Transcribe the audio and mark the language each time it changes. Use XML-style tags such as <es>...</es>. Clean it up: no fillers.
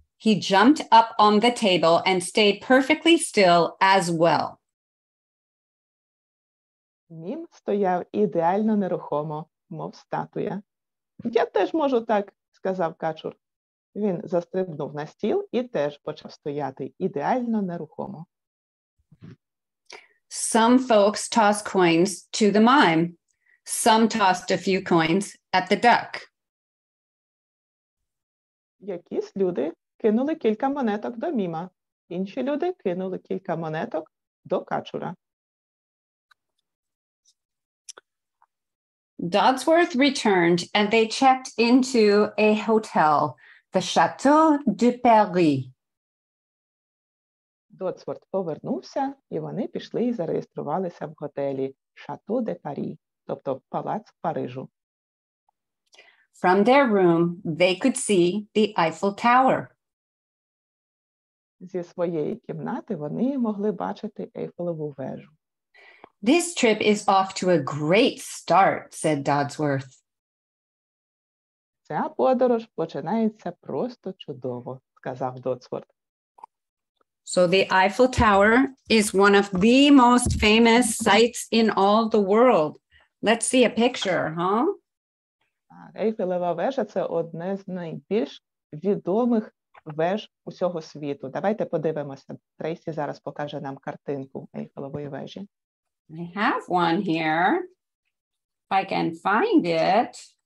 <en>He jumped up on the table and stayed perfectly still as well.</en> <uk>Мім стояв ідеально нерухомо, мов статуя. Я теж можу так, сказав качур. Він застрибнув на стіл і теж почав стояти ідеально нерухомо.</uk> <en>Some folks toss coins to the mime. Some tossed a few coins at the duck.</en> <uk>Якісь люди кинули кілька монеток до міма. Інші люди кинули кілька монеток до качура.</uk> <en>Dodsworth returned and they checked into a hotel, the Chateau de Paris.</en> <uk>Dodsworth повернувся, і вони пішли і зареєструвалися в готелі Chateau de Paris, тобто палац Парижу.</uk> <en>From their room, they could see the Eiffel Tower.</en> <uk>Зі своєї кімнати вони могли бачити Ейфелеву вежу.</uk> <en>This trip is off to a great start, said Dodsworth.</en> <uk>Ця подорож починається просто чудово, сказав Дотсворт.</uk> <en>So the Eiffel Tower is one of the most famous sites in all the world. Let's see a picture, huh?</en> <uk>Ейфелева вежа – це одне з найбільш відомих веж усього світу. Давайте подивимося. Трейсі зараз покаже нам картинку Ейфелевої вежі.</uk> <en>I have one here. If I can find it.</en>